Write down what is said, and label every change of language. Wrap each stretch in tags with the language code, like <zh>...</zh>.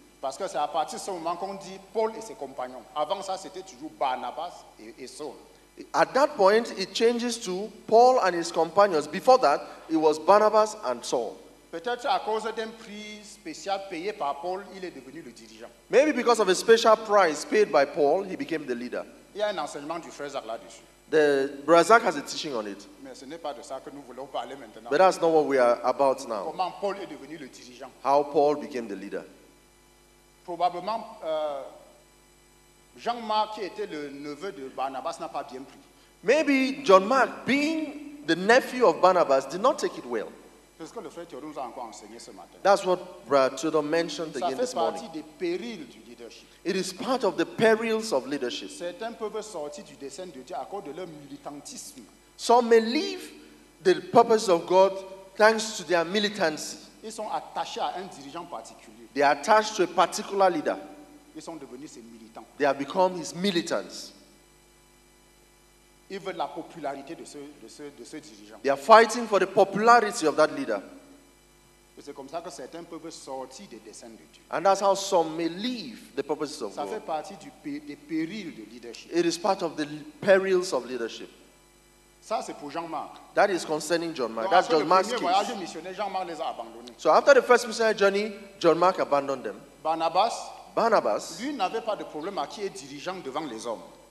<fr>Parce que c'est à partir de ce moment qu'on dit Paul et ses compagnons. Avant ça, c'était toujours Barnabas et Saul.</fr> <en>At that point, it changes to Paul and his companions. Before that, it was Barnabas and Saul.</en> <fr>Peut-être à cause d'un prix spécial payé par Paul, il est devenu le dirigeant.</fr> <en>Maybe because of a special price paid by Paul, he became the leader.</en> <fr>Il y a un enseignement du frère Zach là-dessus.</fr> <en>The Brazak has a teaching on it.</en> <fr>Mais ce n'est pas de ça que nous voulons parler maintenant.</fr> <en>But that's not what we are about now.</en> <fr>Comment Paul est devenu le dirigeant?</fr> <en>How Paul became the leader?</en> <fr>Probablement, Jean-Marc, qui était le neveu de Barnabas, n'a pas bien pris.</fr> <en>Maybe John-Marc, being the nephew of Barnabas, did not take it well.</en> <fr>C'est ce que le frère Théodore nous a encore enseigné ce matin.</fr> <en>That's what Brother Théodore mentioned again this morning.</en> <fr>Ça fait partie des périls du leadership.</fr> <en>It is part of the perils of leadership.</en> <fr>Certains peuvent sortir du dessein de Dieu à cause de leur militantisme.</fr> <en>Some may leave the purpose of God thanks to their militancy.</en> <fr>Ils sont attachés à un dirigeant particulier.</fr> <en>They are attached to a particular leader.</en> <fr>Ils sont devenus ses militants.</fr> <en>They have become his militants.</en> <fr>Ils veulent la popularité de ce dirigeant.</fr> <en>They are fighting for the popularity of that leader.</en> <fr>Et c'est comme ça que certains peuvent sortir des desseins de Dieu.</fr> <en>And that's how some may leave the purposes of God.</en> <fr>Ça fait partie des périls de leadership.</fr> <en>It is part of the perils of leadership.</en> <fr>Ça, c'est pour Jean-Marc.</fr> <en>That is concerning John-Marc.</en> <fr>Donc,</fr> <en>that's John-Marc's case.</en> <fr>Voyage missionnaire, Jean-Marc les a abandonnés.</fr> <en>So after the first missionary journey, John-Marc abandoned them.</en> <fr>Barnabas, lui n'avait pas de problème à qui est dirigeant devant les hommes.</fr>